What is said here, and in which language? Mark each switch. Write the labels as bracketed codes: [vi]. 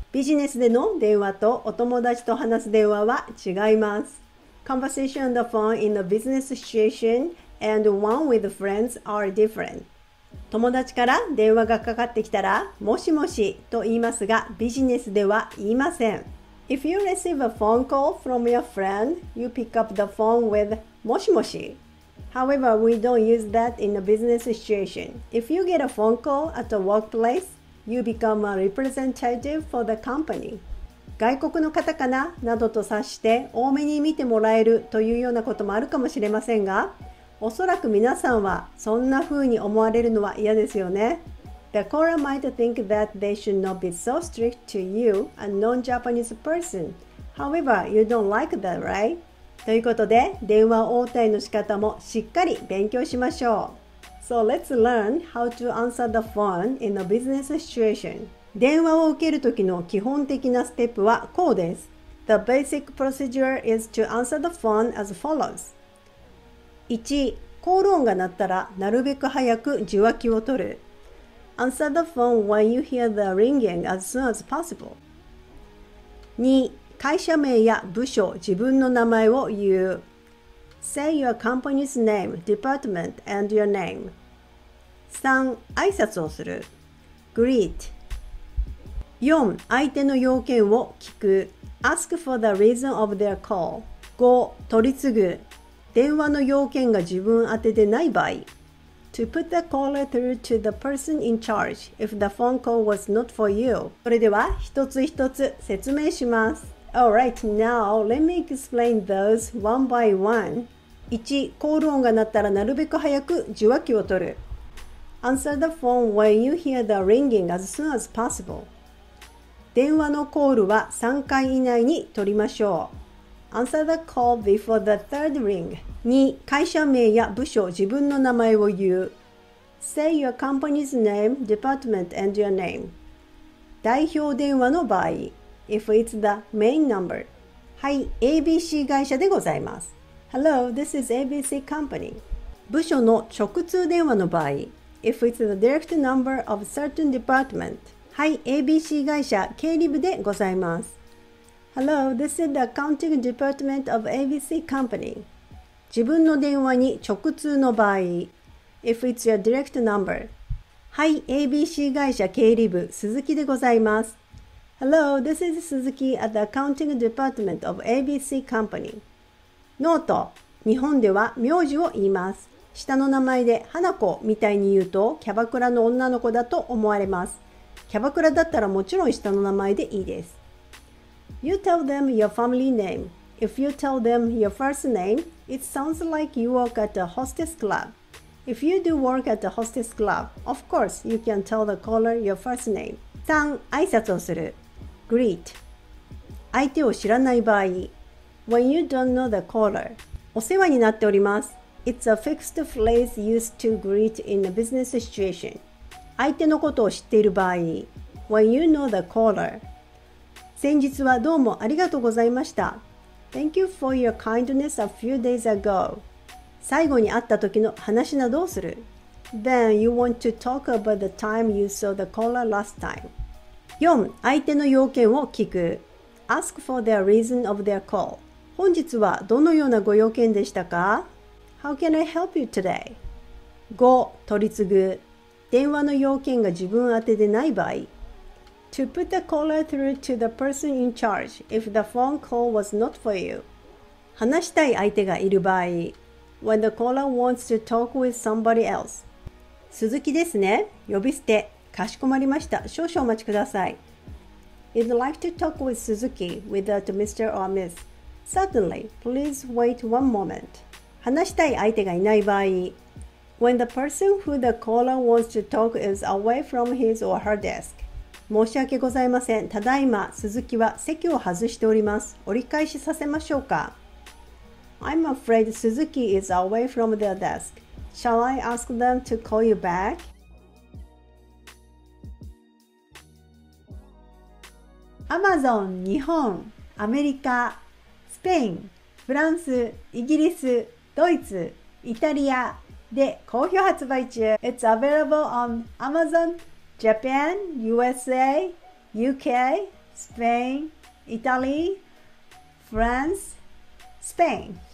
[ja] ビジネスでの電話とお友達と話す電話は違います。 [en] Conversation on the phone in a business situation and one with friends are different. [ja] 友達から電話がかかってきたら、もしもしと言いますが、ビジネスでは言いません。 [en] If you receive a phone call from your friend, you pick up the phone with もしもし。 However, we don't use that in a business situation. If you get a phone call at a workplace, you become a representative for the company. [ja] 外国の方かな? などと察して多めに見てもらえるというようなこともあるかもしれませんが、おそらく皆さんはそんな風に思われるのは嫌ですよね。 [en] The caller might think that they should not be so strict to you, a non-Japanese person. However, you don't like that, right? [ja] ということで、電話応対の仕方もしっかり勉強しましょう。 [en] So let's learn how to answer the phone in a business situation. [ja] 電話を受ける時の基本的なステップはこうです。 [en] The basic procedure is to answer the phone as follows. 1. [ja] コール音が鳴ったらなるべく早く受話器を取る。 [en] Answer the phone when you hear the ringing as soon as possible. 2. [ja] 会社名や部署、自分の名前を言う。 [en] Say your company's name, department, and your name. [ja] 3. 挨拶をする。 [en] Greet. [ja] 4. 相手の要件を聞く。 [en] Ask for the reason of their call. 5. [ja] 取り次ぐ。電話の要件が自分宛でない場合。 [en] To put the caller through to the person in charge if the phone call was not for you. [ja] それでは一つ一つ説明します。 [en] Alright, now let me explain those one by one. 1. [ja] コール音が鳴ったらなるべく早く受話器を取る。 [en] Answer the phone when you hear the ringing as soon as possible. [ja] 電話のコールは3回以内に取りましょう。 [en] Answer the call before the third ring. 2. [ja] 会社名や部署、自分の名前を言う。 [en] Say your company's name, department, and your name. [ja] 代表電話の場合。 [en] If it's the main number. [ja] はい、ABC 会社でございます。 [en] Hello, this is ABC company. [ja] 部署の直通電話の場合。 [en] If it's the direct number of certain department. [ja] はい、ABC 会社経理部でございます。 [en] Hello, this is the accounting department of ABC company. [ja] 自分の電話に直通の場合。 [en] If it's your direct number. [ja] はい、ABC 会社経理部鈴木でございます。 [en] Hello, this is Suzuki at the accounting department of ABC company. [ja] ノート、日本では名字を言います。下の名前で花子みたいに言うとキャバクラの女の子だと思われます。キャバクラだったらもちろん下の名前でいいです。 [en] You tell them your family name. If you tell them your first name, it sounds like you work at a hostess club. If you do work at a hostess club, of course you can tell the caller your first name. [ja] 3. 挨拶をする。 [en] Greet. [ja] 相手を知らない場合。 [en] When you don't know the caller. [ja] お世話になっております。 [en] It's a fixed phrase used to greet in a business situation. [ja] 相手のことを知っている場合。 [en] When you know the caller. [ja] 先日はどうもありがとうございました。 [en] Thank you for your kindness a few days ago. [ja] 最後に会った時の話などをする。 [en] Then you want to talk about the time you saw the caller last time. 4. [ja] 相手の要件を聞く。 [en] Ask for the reason of their call. [ja] 本日はどのようなご用件でしたか? [en] How can I help you today? 5. [ja] 取り次ぐ。電話の要件が自分宛でない場合。 [en] To put the caller through to the person in charge if the phone call was not for you. [ja] 話したい相手がいる場合。 [en] When the caller wants to talk with somebody else. [ja] 鈴木ですね。呼び捨て。かしこまりました。少々お待ちください。 [en] You'd like to talk with Suzuki without Mr. or Miss. Suddenly, please wait one moment. [ja] 話したい相手がいない場合。 [en] When the person who the caller wants to talk is away from his or her desk. [ja] 申し訳ございません。ただいま、鈴木は席を外しております。折り返しさせましょうか。 [en] I'm afraid Suzuki is away from their desk. Shall I ask them to call you back? [ja] Amazon 日本、アメリカ、スペイン、フランス、イギリス、ドイツ、イタリアで好評発売中。 [en] It's available on Amazon Japan, USA, UK, Spain, Italy, France, Spain。